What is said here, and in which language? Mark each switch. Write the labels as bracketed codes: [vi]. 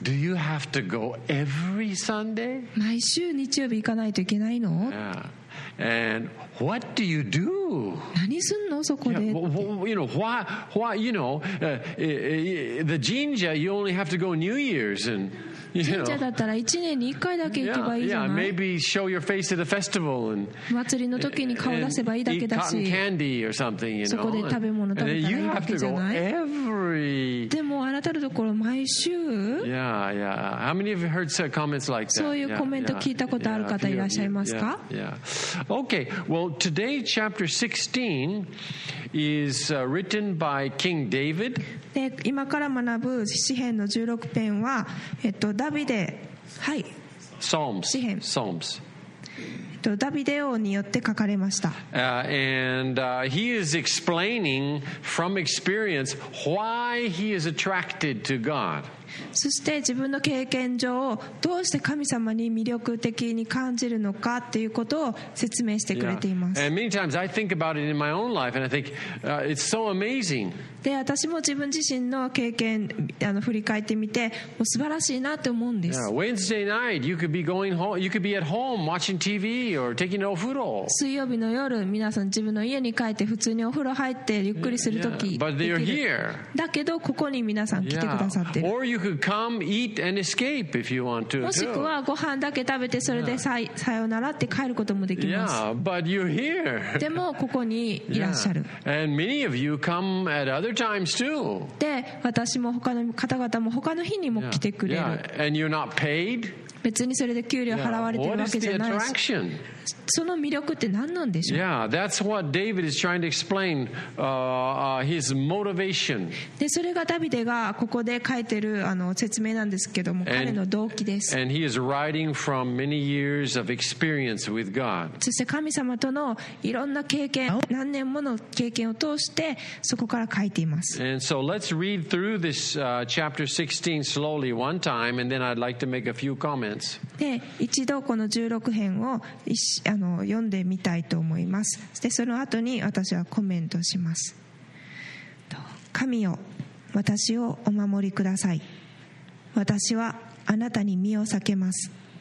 [en] Do you have to go every Sunday? [ja] 毎週日曜日行かないといけないの？ [en] Yeah. And what do you do? [ja] 何すんのそこで [en] You know, why, you know, the jinja, you only have to go New Year's and, you know. [ja] 神社だったら1年に1回だけ行けばいいじゃない [en] Yeah, yeah, maybe show your face at a festival and, [ja] 祭りの時に顔出せばいいだけだし [en] eat cotton candy or something, you know. [ja] そこで食べ物食べたらいいわけじゃない [en] And then you have to go every... [ja] でもあなたのところ毎週 [en] Yeah, yeah. How many of you heard some comments like that? [ja] そういうコメント聞いたことある方いらっしゃいますか [en] Okay, well, today chapter 16 is written by King David. [ja] で、今から学ぶ詩編の16編は、ダビデ、はい。 [en] Psalms. [ja] 詩編。 [en] Psalms. [ja] ダビデ王によって書かれました。 [en] He is explaining from experience why he is attracted to God. [ja] そして自分の経験上をどうして神様に魅力的に感じるのかっていうことを説明してくれています。 [en] Yeah. And many times I think about it in my own life and I think, it's so amazing. [ja] で、私も自分自身の経験、振り返ってみて、もう素晴らしいなって思うんです。 [en] Yeah. Wednesday night, you could be going home, you could be at home watching TV or taking a風呂。 [ja] 水曜日の夜、皆さん自分の家に帰って普通にお風呂入ってゆっくりするとき。 [en] Yeah. But they're here. [ja] だけどここに皆さん来てくださってる。 [en] Yeah. Or you could come, eat, and escape if you want to. [ja] もしくはご飯だけ食べてそれでさよならって帰ることもできます。 [en] Yeah, but you're here. [ja] でもここにいらっしゃる。 [en] Yeah. And many of you come at other times too. [ja] で、私も他の方々も他の日にも来てくれる。 [en] Yeah. Yeah. And you're not paid? [ja] 別にそれで給料払われてるわけじゃないし。 [en] What is the attraction? [ja] その魅力って何なんでしょう? [en] Yeah, that's what David is trying to explain, his motivation. [ja] で、それがダビデがここで書いてる説明なんですけども、彼の動機です。 [en] And he is writing from many years of experience with God. [ja] そして神様とのいろんな経験、何年もの経験を通してそこから書いています。 [en] And so let's read through this chapter 16 slowly one time, and then I'd like to make a few comments. [ja] で、一度この16編を読んでみたいと思います。で、その後に私はコメントします。神よ。私をお守りください。私はあなたに身を避けます。